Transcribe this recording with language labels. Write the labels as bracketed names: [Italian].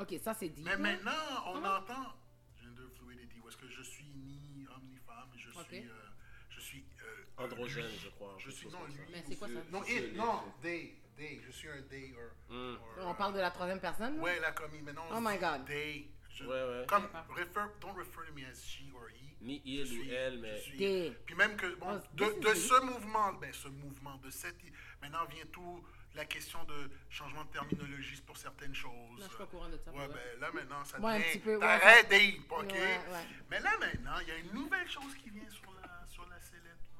[French] OK, ça, c'est dit. Mais maintenant, on entend gender fluidity. Où est-ce que je suis ni homme ni femme, je suis... je suis... androgène, je crois. Je suis non lui. Mais c'est quoi ça? Non, il, non, they. Day, je suis un day or, or on parle de la troisième personne. Ouais, la commis, mais non. [English] Oh my God. Day. [French] Ouais. [English] Comme refer, don't refer to me as she or he. [French] Ni il ou elle, mais day. Puis même que bon, oh, de ce mouvement, ben ce mouvement de cette, maintenant vient tout la question de changement de terminologie pour certaines choses. Là, je suis pas courant de ça. Ouais, ben là maintenant ça devient. T'arrêtes, day, ok. Ouais, ouais. Mais là maintenant, il y a une nouvelle chose qui vient sur la sellette.